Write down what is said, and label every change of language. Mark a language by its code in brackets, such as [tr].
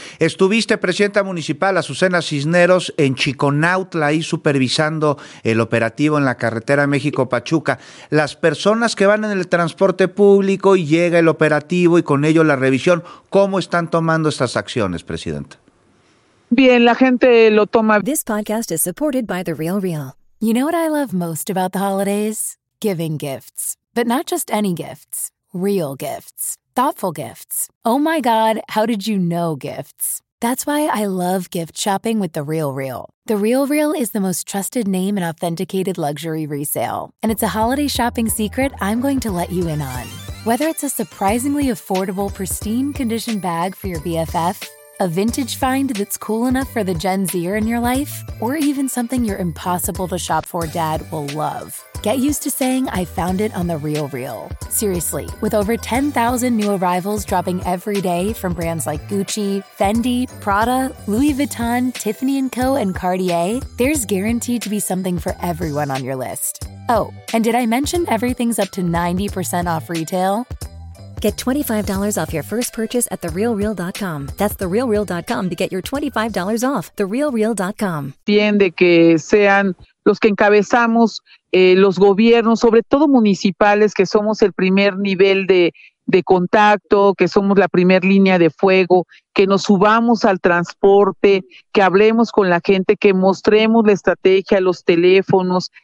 [es] Estuviste, presidenta municipal Azucena Cisneros, en Chiconautla, ahí supervisando el operativo en la carretera México-Pachuca. Las personas que van en el transporte público y llega el operativo y con ello la revisión, ¿cómo están tomando estas acciones, presidenta? Bien, la gente lo toma. [en] This podcast is supported by The Real Real. You know what I love most about the holidays? Giving gifts. But not just any gifts, real gifts, thoughtful gifts. Oh my God, how did you know gifts? That's why I love gift shopping with The Real Real. The Real Real is the most trusted name in authenticated luxury resale. And it's a holiday shopping secret I'm going to let you in on. Whether it's a surprisingly affordable, pristine condition bag for your BFF, a vintage find that's cool enough for the Gen Zer in your life, or even something your impossible to shop for dad will love. Get used to saying, I found it on The Real Real. Seriously, with over 10,000 new arrivals dropping every day from brands like Gucci, Fendi, Prada, Louis Vuitton, Tiffany & Co., and Cartier, there's guaranteed to be something for everyone on your list. Oh, and did I mention everything's up to 90% off retail? Get $25 off your first purchase at TheRealReal.com. That's TheRealReal.com to get your $25 off. TheRealReal.com. [es] Entiende que sean los que encabezamos los gobiernos, sobre todo municipales, que somos el primer nivel de contacto, que somos la primer línea de fuego, que nos subamos al transporte, que hablemos con la gente, que mostremos la estrategia, los teléfonos.